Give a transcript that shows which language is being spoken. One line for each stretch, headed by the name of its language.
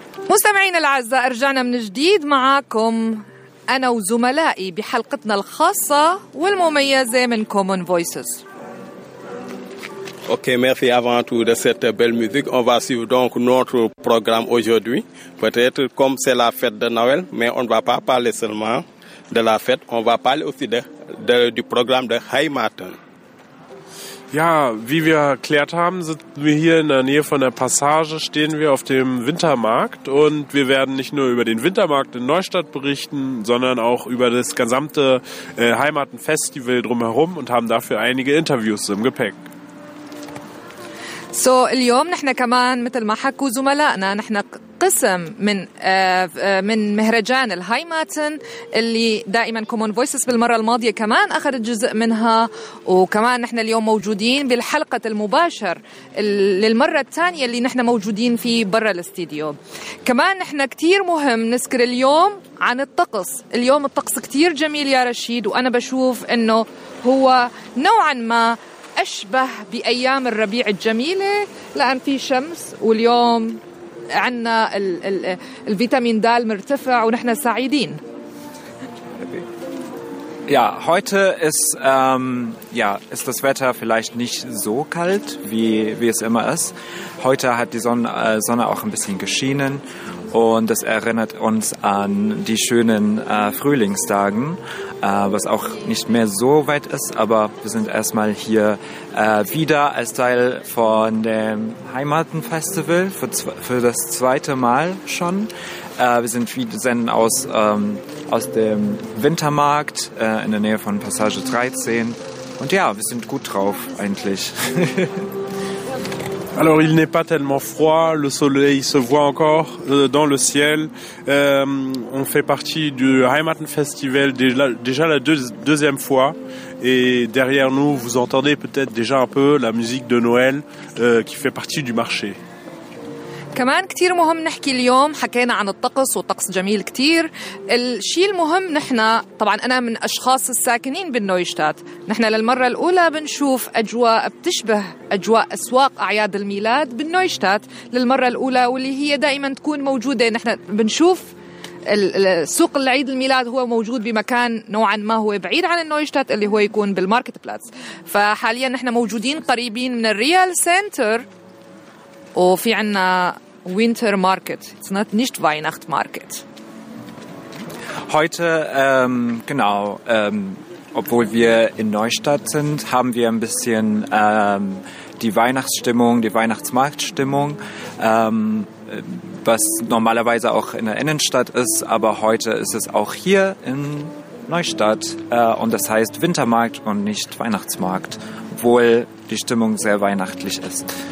Arabic: مستمعينا الأعزاء رجعنا من جديد معاكم أنا وزملائي بحلقتنا الخاصة والمميزة من Common Voices.
French: Ok, merci avant tout de cette belle musique. On va suivre donc notre programme aujourd'hui. Peut-être comme c'est la fête de Noël, mais on ne va pas parler seulement de la fête. On va parler aussi du programme de Heimaten.
German: Ja, wie wir erklärt haben, sind wir hier in der Nähe von der Passage, stehen wir auf dem Wintermarkt und wir werden nicht nur über den Wintermarkt in Neustadt berichten, sondern auch über das gesamte Heimatenfestival drumherum und haben dafür einige Interviews im Gepäck.
Arabic: سو اليوم نحن كمان مثل ما حكوا زملائنا نحن قسم من مهرجان الهايماتن اللي دائما كومون فويسز بالمرة الماضية كمان أخذ جزء منها, وكمان نحن اليوم موجودين بالحلقة المباشر للمرة الثانية اللي نحن موجودين فيه برا الاستديو. كمان نحن كتير مهم نذكر اليوم عن الطقس. اليوم الطقس كتير جميل يا رشيد, وأنا بشوف إنه هو نوعا ما أشبه بأيام الربيع الجميلة لأن في شمس, واليوم عندنا الفيتامين د مرتفع ونحن سعيدين.
German: Ja, heute ist ja, ist das Wetter vielleicht nicht so kalt wie es immer ist. Heute hat die Sonne auch ein bisschen geschienen und das erinnert uns an die schönen Frühlingstagen, was auch nicht mehr so weit ist, aber wir sind erstmal hier wieder als Teil von dem Heimatenfestival für das zweite Mal schon. Wir sind senden aus aus dem Wintermarkt in der Nähe von Passage 13 und ja, wir sind gut drauf eigentlich.
French: Alors il n'est pas tellement froid, le soleil se voit encore dans le ciel. On fait partie du Heimatenfestival déjà la deuxième fois et derrière nous vous entendez peut-être déjà un peu la musique de Noël qui fait partie du marché.
Arabic: كمان كتير مهم نحكي اليوم, حكينا عن الطقس والطقس جميل كتير. الشيء المهم نحنا طبعا أنا من أشخاص الساكنين بالنويشتات, نحنا للمرة الأولى بنشوف أجواء بتشبه أجواء أسواق أعياد الميلاد بالنويشتات للمرة الأولى, واللي هي دائما تكون موجودة. نحنا بنشوف سوق العيد الميلاد هو موجود بمكان نوعا ما هو بعيد عن النويشتات اللي هو يكون بالماركت بلاتس, فحاليا نحنا موجودين قريبين من الريال سنتر وفي عنا Winter Market.
English: It's not
German: nicht Weihnachtsmarkt. Heute, genau, obwohl wir in Neustadt sind, haben wir ein bisschen die Weihnachtsstimmung, die Weihnachtsmarktstimmung, was normalerweise auch in der Innenstadt ist, aber heute ist es auch hier in Neustadt und das heißt Wintermarkt und nicht Weihnachtsmarkt, obwohl die Stimmung sehr weihnachtlich ist.